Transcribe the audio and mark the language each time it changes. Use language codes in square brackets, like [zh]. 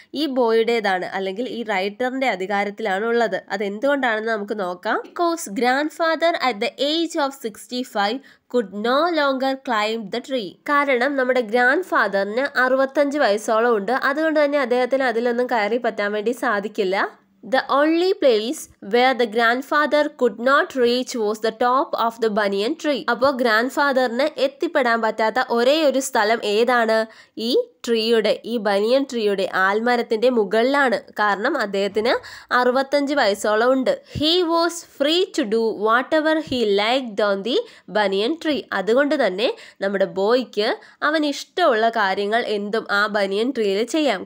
[ml] ഈ ബോയുടേതാണ്, അല്ലെങ്കിൽ ഈ റൈറ്ററിൻ്റെ അധികാരത്തിലാണ് ഉള്ളത്. അതെന്തുകൊണ്ടാണെന്ന് നമുക്ക് നോക്കാം. [en] Because grandfather at the age of 65 could no longer climb the tree. [ml] കാരണം നമ്മുടെ ഗ്രാൻഡ് ഫാദറിന് 65 വയസ്സോളം ഉണ്ട്. അതുകൊണ്ട് തന്നെ അദ്ദേഹത്തിന് അതിലൊന്നും കയറി പറ്റാൻ വേണ്ടി സാധിക്കില്ല. [en] The only place where the grandfather could not reach was the top of the banyan tree. [ml] അപ്പോൾ ഗ്രാൻഡ് ഫാദറിന് എത്തിപ്പെടാൻ പറ്റാത്ത ഒരേ ഒരു സ്ഥലം ഏതാണ്? ഈ ട്രീയുടെ, ഈ ബനിയൻ ട്രീയുടെ ആൽമരത്തിൻ്റെ മുകളിലാണ്. കാരണം അദ്ദേഹത്തിന് 65 വയസ്സോളം ഉണ്ട്. [en] He was free to do whatever he liked on the banyan tree. [ml] അതുകൊണ്ട് തന്നെ നമ്മുടെ ബോയ്ക്ക് അവൻ ഇഷ്ടമുള്ള കാര്യങ്ങൾ എന്തും ആ ബനിയൻ ട്രീയിൽ ചെയ്യാം.